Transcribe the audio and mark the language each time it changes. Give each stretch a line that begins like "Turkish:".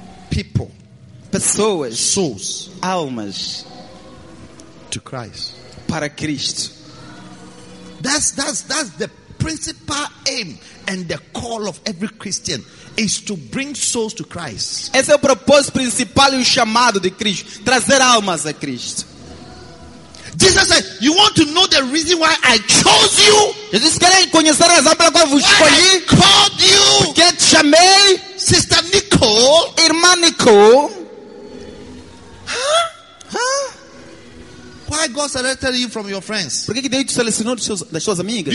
English: People.
Portuguese: Pessoas.
English: Souls.
Portuguese: Almas.
English: To Christ.
Portuguese: Para Cristo.
English: That's the principal aim and the call of every Christian is to bring souls to Christ.
Portuguese: Esse é o propósito principal e o chamado de Cristo, trazer almas a Cristo.
English: Jesus said, "You want to know the reason why I chose you?
Portuguese: Jesus querem conhecer a razão pela qual vos escolhi?
English: Why I called you?
Portuguese: Porque te chamei,
English: Sister Nicole,
Portuguese: irmã Nicole.
English: Huh? Why God selected you from your friends?
Portuguese: Porque que Deus te selecionou das suas amigas?